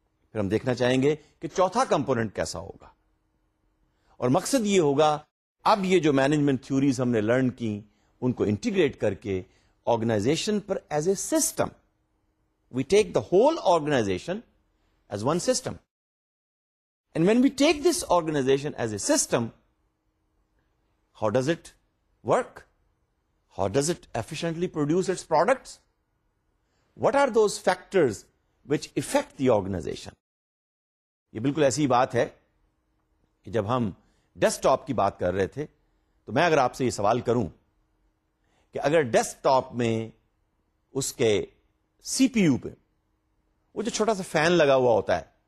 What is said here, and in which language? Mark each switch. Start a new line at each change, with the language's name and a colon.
Urdu: پھر ہم دیکھنا چاہیں گے کہ چوتھا کمپوننٹ کیسا ہوگا, اور مقصد یہ ہوگا اب یہ جو مینجمنٹ تھیوریز ہم نے لرن کی ان کو انٹیگریٹ کر کے organization per
English: As a system, we take the whole organization as one system. And when we take this organization as a system, how does it work? How does it efficiently produce its products? What are those factors which affect the organization?
Urdu: یہ بالکل ایسی بات ہے کہ جب ہم desk top کی بات کر رہے تھے تو میں اگر آپ سے یہ سوال کروں کہ اگر ڈیسک ٹاپ میں اس کے سی پی یو پہ وہ جو چھوٹا سا فین لگا ہوا ہوتا ہے,